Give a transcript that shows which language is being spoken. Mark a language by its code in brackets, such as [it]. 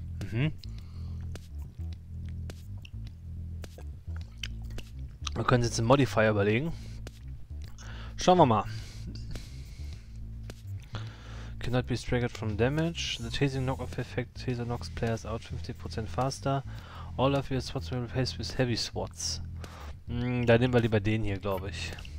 [de] Wir können jetzt einen Modifier überlegen. Schauen wir mal. [en] Cannot be staggered from damage. The chasing knockoff effect. Taser knocks players out 50% faster. All of your swats will replace with heavy swats. [de] Da nehmen wir lieber den hier, glaube ich.